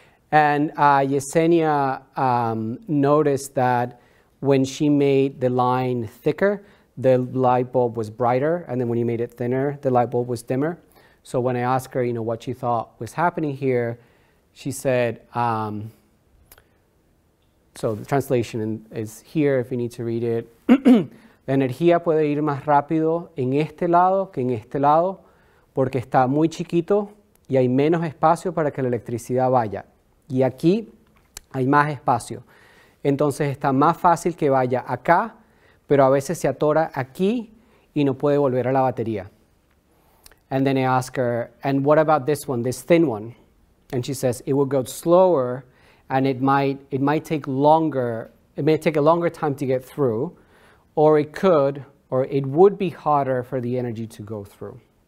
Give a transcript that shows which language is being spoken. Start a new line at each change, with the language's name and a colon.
English: And Yesenia noticed that when she made the line thicker, the light bulb was brighter, and then when you made it thinner, the light bulb was dimmer. So when I asked her, you know, what she thought was happening here, she said, so the translation is here if you need to read it.
Spanish: La energía puede ir más rápido en este lado que en este lado porque está muy chiquito y hay menos espacio para que la electricidad vaya. Y aquí hay más espacio. Entonces está más fácil que vaya acá, pero a veces se atora aquí y no puede volver a la batería.
English: And then I ask her, and what about this one, this thin one? And she says, it will go slower and it might take longer, it may take a longer time to get through, or it could, or it would be harder for the energy to go through.